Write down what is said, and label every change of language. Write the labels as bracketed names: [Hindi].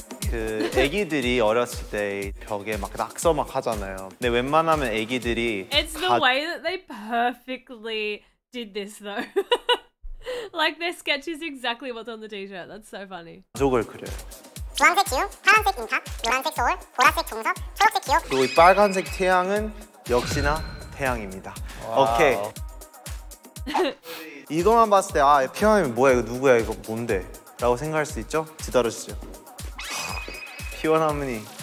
[Korean] 그 애기들이 어렸을 때 벽에 막 낙서 막 하잖아요. 근데 웬만하면 애기들이 [English] It's the way that they perfectly did this though. Like their sketch is exactly what's on the t-shirt. That's so funny. [Korean] 가족을 그려요. 주황색 지우, 파란색 인카, 노란색 서울, 보라색 동서, 초록색 기억. 그리고 이 빨간색 태양은 역시나 태양입니다. 오케이. Okay. 이거만 봤을 때 아, 피어나면 뭐야? 이거 누구야? 이거 뭔데? 라고 생각할 수 있죠? 기다려주세요. P1HARMONY.